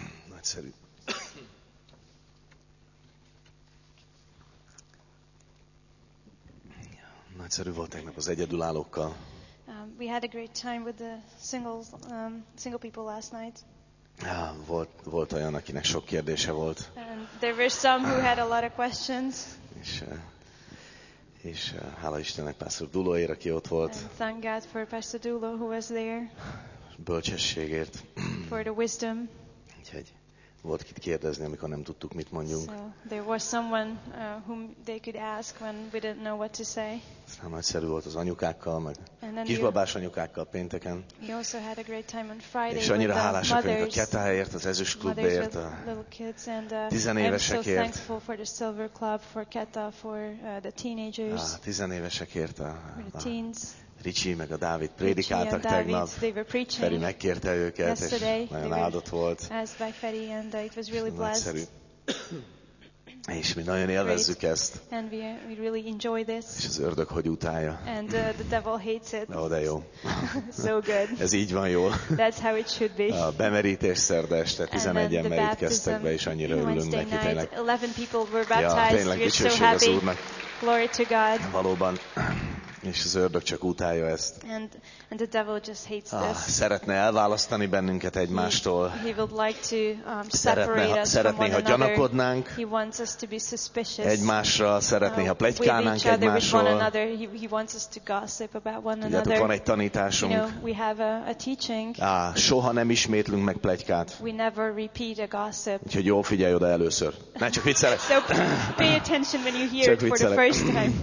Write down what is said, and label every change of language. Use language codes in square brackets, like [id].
[hu] Nagyszerű. Nagyszerű volt tegnap az egyedülállókkal. [en] We had a great time with the single people last night. [hu] Volt olyan, akinek sok kérdése volt. [en] There were some who had a lot of questions. [hu] És hála Istennek Pastor Dulóért, aki ott volt. [en] And thank God for Pastor Dulo who was there. [hu] Bölcsességért. [en] For the wisdom. [hu] Úgyhogy volt kit kérdezni, amikor nem tudtuk, mit mondjunk. [en] So there was someone whom they could ask when we didn't know what to say. [hu] Aztán nagyszerű volt az anyukákkal, meg kisbabás anyukákkal pénteken. [en] We also had a great time on Friday. [hu] És annyira hálásak vagyunk a Ketáért, az Ezüst klubért, a tizenévesekért. [en] I'm so thankful for the Silver Club, for Keta, for the teenagers. [hu] A tizenévesekért [en] a teens. [hu] Ricsi meg a Dávid prédikáltak tegnap. Feri megkérte őket, és nagyon áldott volt. [en] Asked by Feri and it was really blessed. [hu] Nagyszerű. És mi nagyon élvezzük ezt. [en] And we really enjoy this. [hu] És az ördög hogy utálja. [en] And the devil hates it. [hu] No, de jó. [en] So good. [hu] Ez így van jól. [en] That's how it should be. [hu] A bemerítés szerda este 11-en merítkeztek be, és annyira örülünk neki. Tényleg. [en] 11 people were baptized. [hu] Ja, [en] we're so happy. Glory to God. [hu] Valóban. És az ördög csak utálja ezt. [en] And the devil just hates this. [hu] Szeretne elválasztani bennünket egymástól. [en] He would like to [hu] szeretné, ha gyanakodnánk. [en] He wants us to be suspicious. [hu] Egymásra szeretné, ha pletykálnánk egymásról. [en] He wants us to gossip about one another. [hu] Tudjátok, van egy tanításunk. [en] You know, we have a teaching. [hu] Soha nem ismétlünk meg pletykát. [en] We never repeat a gossip. [hu] Úgyhogy jól figyelj oda először. Ne, csak viccelek. [en] So pay attention when you hear it for the first time.